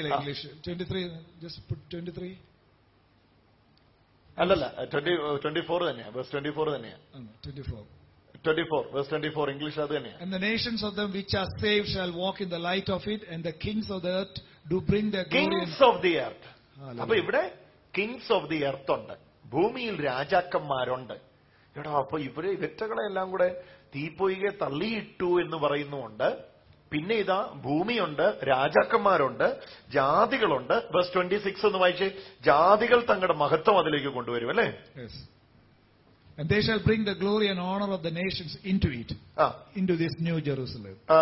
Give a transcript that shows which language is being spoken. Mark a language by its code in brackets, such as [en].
[en] in English. 23, just put 23. [ml] അല്ലല്ല, 24 English അത് തന്നെയാണ്. [en] And the nations of them which are saved shall walk in the light of it, and the kings of the earth do bring their glory. Kings of the earth. [ml] അപ്പോൾ ഇവിടെ [en] kings of the earth [ml] ഉണ്ട്, ഭൂമിയിൽ രാജാക്കന്മാരുണ്ട്. എടാ, അപ്പൊ ഇവരെ വിറ്റകളെ എല്ലാം കൂടെ തീപ്പൊയ്കെ തള്ളിയിട്ടു എന്ന് പറയുന്നുണ്ട്. പിന്നെ ഇതാ, ഭൂമിയുണ്ട്, രാജാക്കന്മാരുണ്ട്, ജാതികളുണ്ട്. വേഴ്സ് 26 എന്ന് വായിച്ചേ, ജാതികൾ തങ്ങളുടെ മഹത്വം അതിലേക്ക് കൊണ്ടുവരും അല്ലേ. [en] Yes. And they shall bring the glory and honor of the nations into it, into this new Jerusalem.